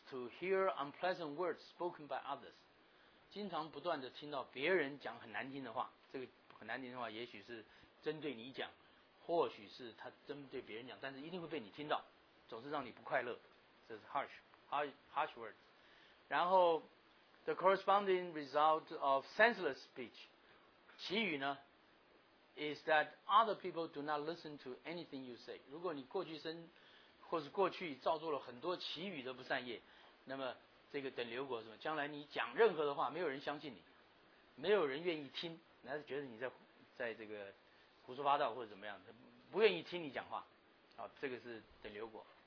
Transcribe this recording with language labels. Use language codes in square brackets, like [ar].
[en] To hear unpleasant words spoken by others， [zh] 经常不断的听到别人讲很难听的话。这个很难听的话，也许是针对你讲，或许是他针对别人讲，但是一定会被你听到，总是让你不快乐。这是 [en] harsh words， [zh] 然后。 [en] The corresponding result of senseless speech， 其余呢 is that other people do not listen to anything you say。 [zh] 如果你过去生或是过去造作了很多其余的不善业，那么这个等流果什么，将来你讲任何的话没有人相信你，没有人愿意听，那是觉得你在这个胡说八道或者怎么样，不愿意听你讲话啊，这个是等流果。